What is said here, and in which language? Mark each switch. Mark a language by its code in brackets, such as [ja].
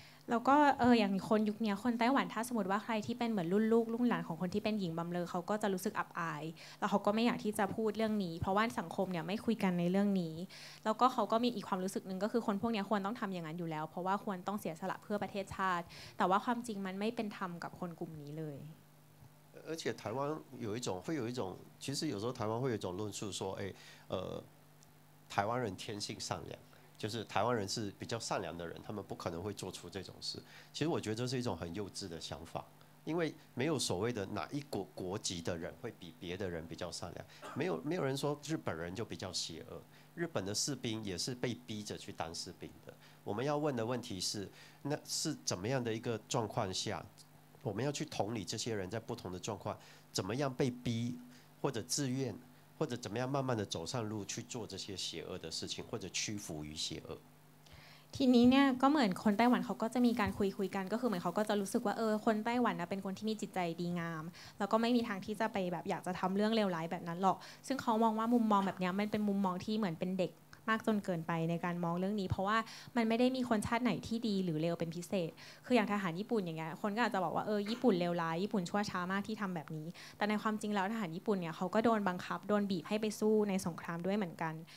[th] แล้วก็อย่างคนยุคนี้คนไต้หวันถ้าสมมติว่าใครที่เป็นเหมือนรุ่นลูกรุ่นหลานของคนที่เป็นหญิงบำเรอเขาก็จะรู้สึกอับอายแล้วเขาก็ไม่อยากที่จะพูดเรื่องนี้เพราะว่าสังคมเนี่ยไม่คุยกันในเรื่องนี้แล้วก็เขาก็มีอีกความรู้สึกนึงก็คือคนพวกนี้ควรต้องทำอย่างนั้นอยู่แล้วเพราะว่าควรต้องเสียสละเพื่อประเทศชาติแต่ว่าความจริงมันไม่เป็นธรรมกับคนกลุ่มนี้เลย [zh] 而且台湾有一种会有一种其实有时候台湾会有一种论述说哎台湾人天性善良。就是台湾人是比较善良的人，他们不可能会做出这种事。其实我觉得这是一种很幼稚的想法，因为没有所谓的哪一国国籍的人会比别的人比较善良，没有人说日本人就比较邪恶。日本的士兵也是被逼着去当士兵的。我们要问的问题是，那是怎么样的一个状况下，我们要去同理这些人在不同的状况，怎么样被逼或者自愿。或者怎么样慢慢的走上路去做这些邪恶的事情或者屈服于邪恶 [th] ทีนี้เนี่ยก็เหมือนคนไต้หวันเขาก็จะมีการคุยกันก็คือเหมือนเขาก็จะรู้สึกว่าคนไต้หวันนะเป็นคนที่มีจิตใจดีงามแล้วก็ไม่มีทางที่จะไปแบบอยากจะทำเรื่องเลวร้ายแบบนั้นหรอกซึ่งเขามองว่ามุมมองแบบนี้มันเป็นมุมมองที่เหมือนเป็นเด็กมากจนเกินไปในการมองเรื่องนี้เพราะว่ามันไม่ได้มีคนชาติไหนที่ดีหรือเลวเป็นพิเศษคืออย่างทหารญี่ปุ่นอย่างเงี้ยคนก็อาจจะบอกว่าญี่ปุ่นเลวร้ายญี่ปุ่นชั่วช้ามากที่ทำแบบนี้แต่ในความจริงแล้วทหารญี่ปุ่นเนี่ยเขาก็โดนบังคับโดนบีบให้ไปสู้ในสงครามด้วยเหมือนกัน